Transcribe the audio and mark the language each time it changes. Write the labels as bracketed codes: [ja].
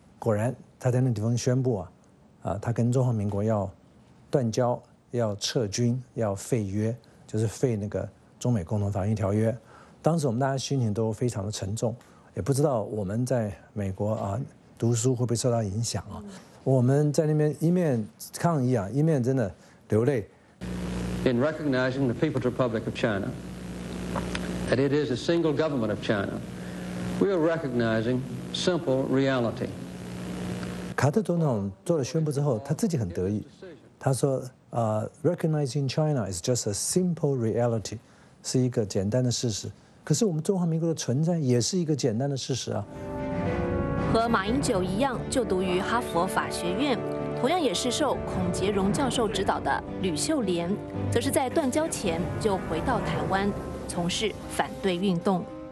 [zh] 果然他在那地方宣布啊，啊，他跟中华民国要断交，要撤军，要废约，就是废那个中美共同防御条约。当时我们大家心情都非常的沉重。也不知道我们在美国啊读书会不会受到影响啊？我们在那边一面抗议啊，一面真的流泪。 [en] In recognizing the People's Republic of China, that it is a single government of China, we are recognizing simple reality. [zh] 卡特总统做了宣布之后，他自己很得意，他说： [en] “recognizing China is just a simple reality， [zh] 是一个简单的事实。” 可是我们中华民国的存在也是一个简单的事实啊。和马英九一样就读于哈佛法学院，同样也是受孔杰荣教授指导的吕秀莲，则是在断交前就回到台湾从事反对运动。